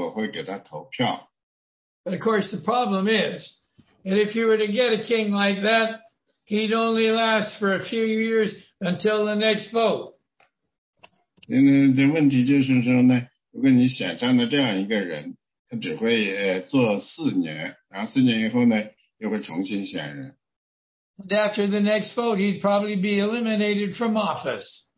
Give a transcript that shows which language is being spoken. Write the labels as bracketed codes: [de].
[zh] 你会说呢，这个人呢，他是个好人，所以呢，我会给他投票。 [en] But of course, the problem is that if you were to get a king like that, he'd only last for a few years until the next vote. [zh] 那这问题就是说呢。如果你选上了这样一个人，他只会做四年，然后四年以后呢，又会重新选人。 [en] And after the next vote, he'd probably be eliminated from office.